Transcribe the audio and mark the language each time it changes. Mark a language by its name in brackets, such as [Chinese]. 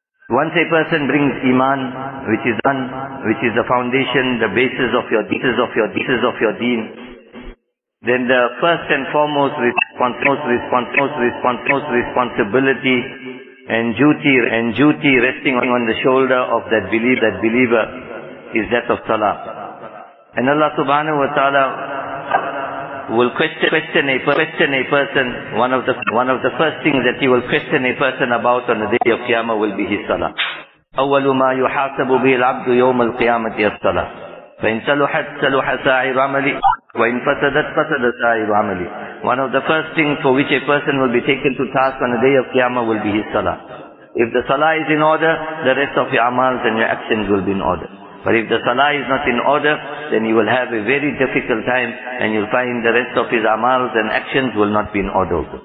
[English] Once a person brings iman, which is the foundation, the basis of your deen, then the first and foremost responsibility and duty resting on the shoulder of that believer is that of salah. And Allah subhanahu wa ta'ala will question a person, one of the first things that he will question a person about on the day of Qiyamah will be his salah. [Arabic] أول ما يحاسب به العبد يوم القيامة الصلاة فإن سلحت سلح سائر عملي وإن فسدت فسد سائر عملي. [English] One of the first things for which a person will be taken to task on the day of Qiyamah will be his salah. If the salah is in order, the rest of your amals and your actions will be in order. But if the salah is not in order, then he will have a very difficult time and you'll find the rest of his amals and actions will not be in order.